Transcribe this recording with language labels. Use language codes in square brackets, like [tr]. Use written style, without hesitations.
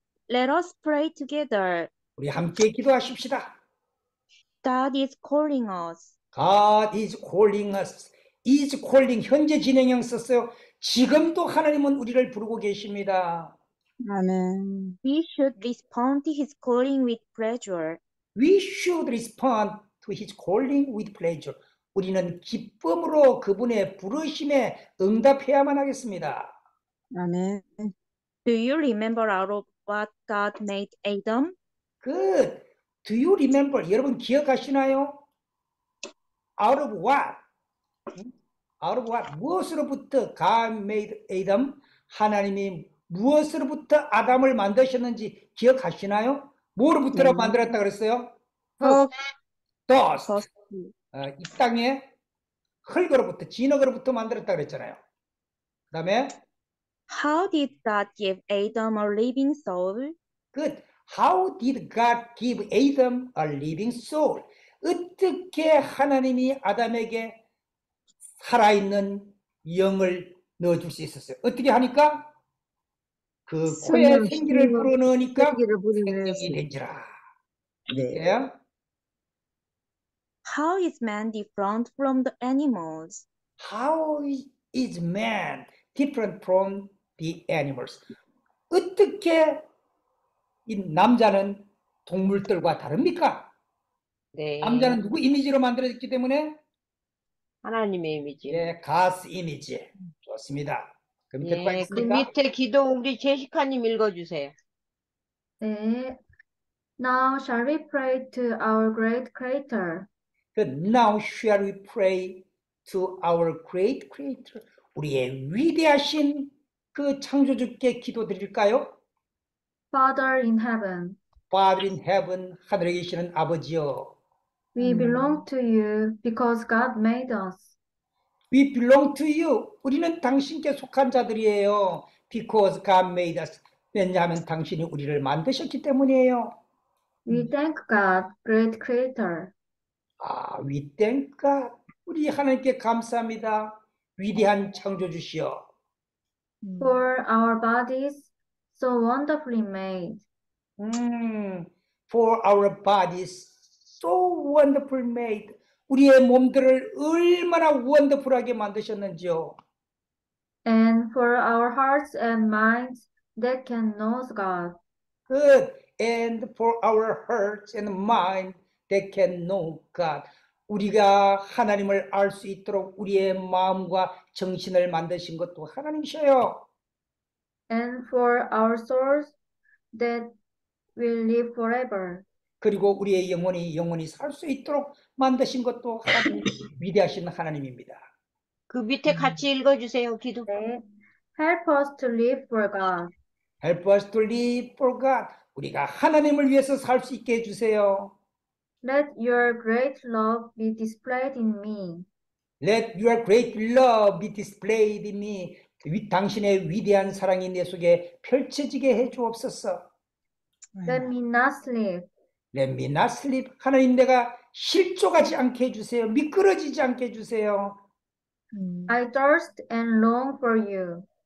[en] Let us pray together. [ko] 우리 함께 기도하십시다. [en] God is calling us. God is calling us. Is calling. [ko] 현재 진행형 썼어요. 지금도 하나님은 우리를 부르고 계십니다. [en] Amen. We should respond to his calling with pleasure. We should respond to his calling with pleasure. [ko] 우리는 기쁨으로 그분의 부르심에 응답해야만 하겠습니다. [en] Amen. Do you remember out of what God made Adam? Good. Do you remember? [ko] 여러분 기억하시나요? [en] Out of what? Out of what? [ko] 무엇으로부터 [en] God made Adam? [ko] 하나님이 무엇으로부터 아담을 만드셨는지 기억하시나요? 뭐로부터 만들었다 그랬어요? [en] Dust. [ko] 이 땅에 흙으로부터, 진흙으로부터 만들었다 그랬잖아요. 그 다음에 [en] How did God give Adam a living soul? Good. How did God give Adam a living soul? [ko] 어떻게 하나님이 아담에게 살아있는 영을 넣어줄 수 있었어요? 어떻게 하니까? 그 코에 생기를 불어넣으니까 생기를 생기 된지라. 네. [en] How is man different from the animals? How is man different from the animals? [ko] 어떻게 이 남자는 동물들과 다릅니까? 네. 남자는 누구 이미지로 만들어졌기 때문에? 하나님의 이미지. 예, 가스 이미지. 좋습니다. 그럼 예, 그 밑에 기도 우리 제시카님 읽어주세요. 네. [en] Now shall we pray to our great creator? Now shall we pray to our great creator? [ko] 우리의 위대하신 그 창조주께 기도드릴까요? [en] Father in heaven. Father in heaven, [ko] 하늘에 계시는 아버지요. [en] We belong to you because God made us. We belong to you. [ko] 우리는 당신께 속한 자들이에요. [en] Because God made us. [ko] 왜냐하면 당신이 우리를 만드셨기 때문이에요. [en] We thank God, great creator. 아, we thank God. [ko] 우리 하나님께 감사합니다. 위대한 창조주시여. [en] For our bodies so wonderfully made. For our bodies so wonderfully made. [ko] 우리의 몸들을 얼마나 원더풀하게 만드셨는지요. [en] And for our hearts and minds that can know God. Good. And for our hearts and minds that can know God. [ko] 우리가 하나님을 알 수 있도록 우리의 마음과 정신을 만드신 것도 하나님이셔요. [en] And for our souls that will live forever. [ko] 그리고 우리의 영혼이 영원히 살 수 있도록 만드신 것도 하나님 위대하신 하나님입니다. 그 밑에 같이 읽어주세요. 기도. [en] 네. Help us to live for God. Help us to live for God. [ko] 우리가 하나님을 위해서 살 수 있게 해주세요. [en] Let your great love be displayed in me. Let your great love be displayed in me. [ko] 당신의 위대한 사랑이 내 속에 펼쳐지게 해주옵소서. [en] Let me not sleep. Let me not sleep. [ko] 하나님 내가 실족하지 않게 해주세요. 미끄러지지 않게 해주세요. [en] I thirst and long for you.